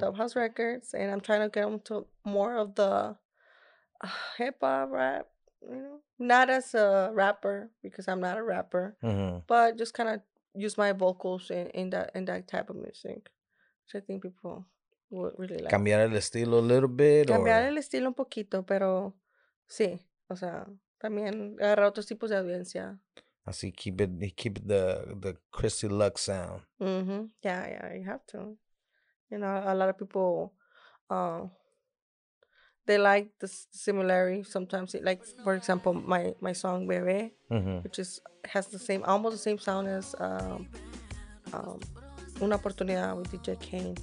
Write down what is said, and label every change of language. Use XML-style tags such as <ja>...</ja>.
<en>Dope House Records, and I'm trying to get them to more of the hip-hop rap, you know? Not as a rapper, because I'm not a rapper, mm-hmm. but just kind of use my vocals in that type of music, which I think people would really like.</en> <es>Cambiar el estilo</es> <en>a little bit?</en> <es>Cambiar el estilo un poquito, pero sí. O sea, también agarrar otros tipos de audiencia.</es> <en>I see. Keep it the Christi Lux sound. Mm-hmm. Yeah. You have to. You know, a lot of people, they like the similarity sometimes. Like, for example, my song Bebe, which is has the same, almost the same sound as Una Oportunidad with DJ Kane.</en>